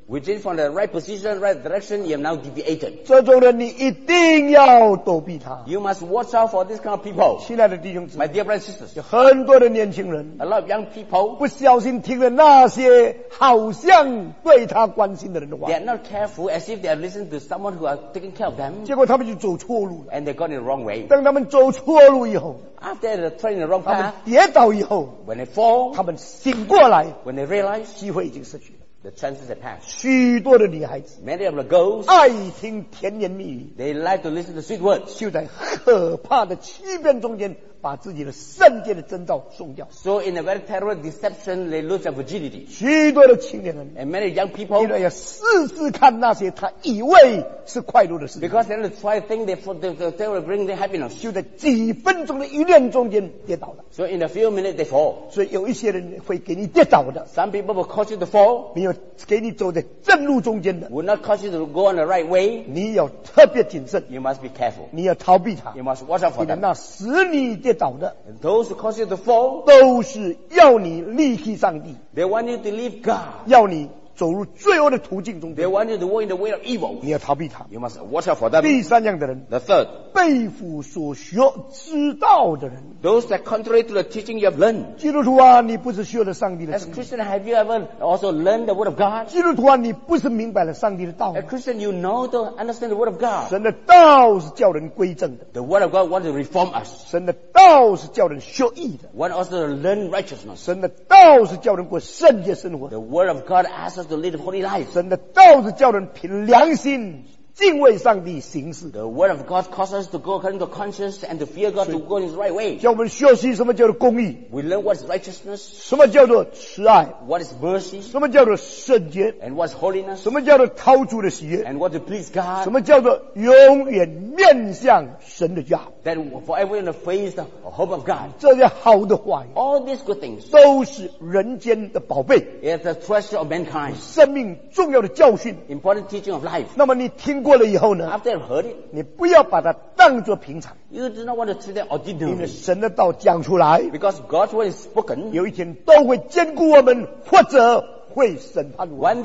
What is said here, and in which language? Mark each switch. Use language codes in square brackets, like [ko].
[en] within from the right position, right direction, you have now deviated. [zh] 这种人你一定要躲避他, [en] you must watch out for this kind of people. [zh] 亲爱的弟兄姊, [en] my dear brothers and sisters, [zh] 有很多的年轻人, [en] a lot of young people, [zh] 不小心听了那些好像对他关心的人的话, [en] they are not careful as if they are listening to someone who are taking care of them. [zh] 结果他们就走错路了, [en] and they got in the wrong way. [zh] 等他们走错路以后, [en] after they turn in the wrong path, [zh] 他们跌倒以后, [en] when they fall, [zh] 他们醒过来, [en] when they realize, [zh] 机会已经失去了, [en] the chances have passed. [zh] 许多的女孩子, [en] many of the girls, [zh] 爱听甜言蜜语, [en] they like to listen to sweet words, [zh] 就在可怕的欺骗中间, 把自己的圣洁的征兆送掉, [en] so in a very terrible deception they lose their virginity. [zh] 许多的青年人, [en] and many young people, [zh] 要试试看那些他以为是快乐的事, [en] because they only try things they will bring their happiness, [zh] 就在几分钟的一念中间跌倒了, [en] so in a few minutes they fall. [zh] 所以有一些人会给你跌倒的, [en] some people will cause you to fall, [zh] 没有给你走在正路中间的, [en] will not cause you to go on the right way. [zh] 你要特别谨慎, [en] you must be careful, [zh] 你要逃避他, [en] you must watch out for them. [zh] 你那使你跌倒, [en] and those who cause you to fall, [zh] 都是要你离弃上帝, [en] they want you to leave God, [zh] 要你走入罪恶的途径中, [en] they want you to walk in the way of evil. [zh] 你要逃避他, [en] you must watch out for them. [zh] 第三样的人, [en] the third, [zh] 被父所学知道的人, [en] those that contrary to the teaching you have learned. [zh] 基督徒啊, 你不是学了上帝的真理, [en] as Christian, have you ever also learned the word of God? [zh] 基督徒啊, 你不是明白了上帝的道, [en] as Christian, you know to understand the word of God. [zh] 神的道是叫人归正的, [en] the word of God wants to reform us. [zh] 神的道是叫人学义的, [en] wants us to learn righteousness. [zh] 神的道是叫人过圣洁生活, [en] the word of God asks us to lead a holy life. [zh] 神的道是叫人凭良心, 敬畏上帝行事, [en] the word of God causes us to go according to conscience and to fear God, to go in the right way. [zh] 叫我们学习什么叫做公义, [en] we learn what is righteousness, [zh] 什么叫做慈爱, [en] what is mercy, [zh] 什么叫做圣洁, [en] and what is holiness, [zh] 什么叫做陶铸的喜悦, [en] and what to please God, [zh] 什么叫做永远面向神的家, [en] that forever in the face of the hope of God. [zh] 这些好的话语, [en] all these good things, [zh] 都是人间的宝贝, [en] it is the treasure of mankind, [zh] 生命重要的教训, [en] important teaching of life. [zh] 那么你听 过了以后呢, [en] after I heard it, [zh] 你不要把它当作平常, [en] you do not want to treat it ordinary, [zh] 因为神的道讲出来, [en] because God's word is spoken, [zh] 有一天都会坚固我们, 或者会审判我们,